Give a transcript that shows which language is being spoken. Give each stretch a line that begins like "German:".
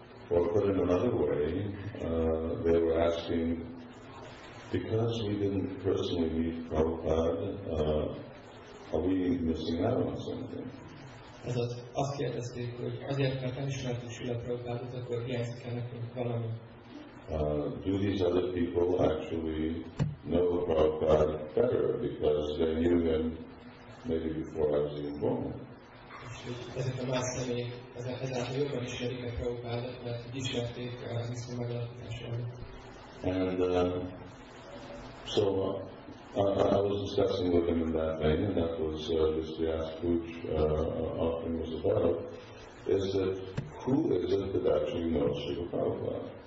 English: Or put in another way, they were asking, because we didn't personally meet Prabhupada, are we missing out on something?
Hungarian: Azt kérdezték, hogy azért, mert nem ismertük Srila Prabhupádot, akkor hiányzik nekünk valami.
English: Do these other people actually know Prabhupada better because they knew him maybe before I was even born?
Hungarian: Ezek a más személyek ezáltal jobban ismerik a Prabhupádot, mert ismerték az iszma megalapításáról.
English: And so I was discussing with him in that vein, and that was this Vyasa Puja offering was about, is that who is it that actually knows Srila